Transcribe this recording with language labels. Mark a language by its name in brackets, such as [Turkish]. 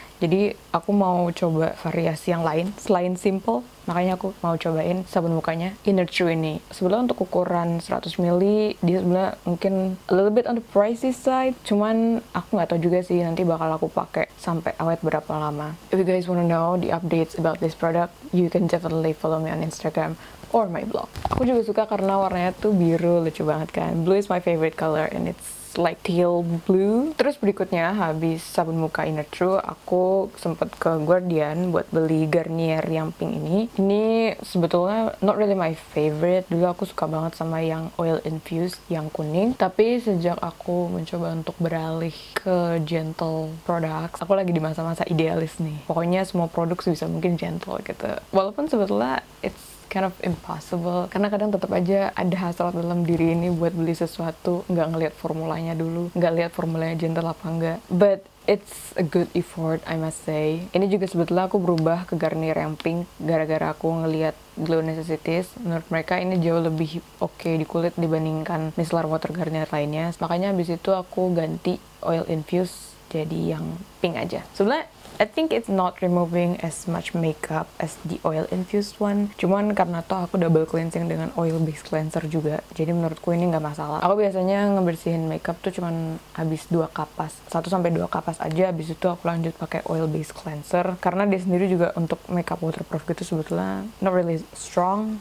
[Indonesian] Jadi aku mau coba variasi yang lain selain simple, makanya aku mau cobain sabun mukanya Inner True ini. Sebenarnya untuk ukuran 100 ml dia sebenarnya mungkin [English] a little bit on the pricey side, [Indonesian] cuman aku nggak tahu juga sih nanti bakal aku pakai sampai awet berapa lama. [English] If you guys wanna know the updates about this product, you can definitely follow me on Instagram or my blog. [Indonesian] Aku juga suka karena warnanya tuh biru, lucu banget kan. [English] Blue is my favorite color and it's like teal blue. [Indonesian] Terus berikutnya, habis sabun muka Inner True, aku sempet ke Guardian buat beli Garnier yang pink ini. Ini sebetulnya [English] not really my favorite. [Indonesian] Dulu aku suka banget sama yang oil infused, yang kuning. Tapi sejak aku mencoba untuk beralih ke gentle products, aku lagi di masa-masa idealis nih. Pokoknya semua produk sebisa mungkin gentle gitu. Walaupun sebetulnya [English] it's kind of impossible, [Indonesian] karena kadang tetap aja ada hasrat dalam diri ini buat beli sesuatu, nggak ngelihat formulanya dulu, nggak lihat formulanya gentle apa enggak. [English] But it's a good effort, I must say. [Indonesian] Ini juga sebetulnya aku berubah ke Garnier yang pink gara-gara aku ngelihat Glow Necessities. Menurut mereka ini jauh lebih okay di kulit dibandingkan micellar water Garnier lainnya. Makanya abis itu aku ganti oil infused jadi yang pink aja. Sebenernya, [English] I think it's not removing as much makeup as the oil infused one. [Indonesian] Cuman karena toh aku double cleansing dengan oil based cleanser juga, jadi menurutku ini gak masalah. Aku biasanya ngebersihin makeup tuh cuman habis 2 kapas, 1-2 kapas aja, habis itu aku lanjut pakai oil based cleanser. Karena dia sendiri juga untuk makeup waterproof gitu sebetulnya [English] not really strong.